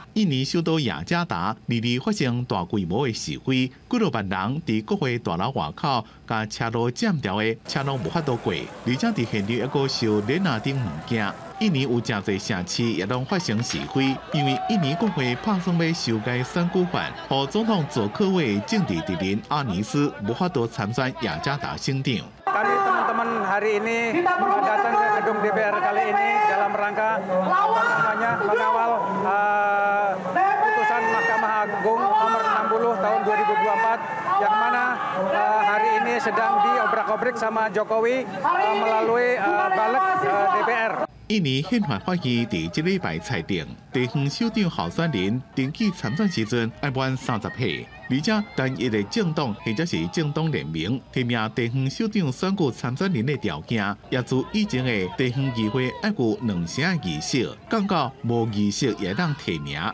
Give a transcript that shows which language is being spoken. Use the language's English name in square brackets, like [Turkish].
[Min Nan Chinese] 印尼首都雅加达连连发生大规模的示威，几落万人伫国会大楼外口，甲车路占掉的车拢无法度过，而且伫现场还阁烧连拿顶物件。印尼有真侪城市也拢发生示威，因为印尼国会打算要修改选举法，让总统佐科威的政治敌人阿尼斯无法度参选雅加达省长。 [Indonesian] Kami teman-teman hari ini datang ke gedung DPR kali ini dalam rangka hanya mengawal putusan Mahkamah Agung nomor 60 tahun 2024 yang mana hari ini sedang diobrak-obrik sama Jokowi melalui balik DPR. [Min Nan Chinese] 印尼宪法法院在这礼拜裁定，地方首长候选人登记参选时阵要满30岁，而且单一的政党或者是政党联名提名地方首长选举参选人的条件，也自以前的地方议会要有两成议席，降到无议席也当提名。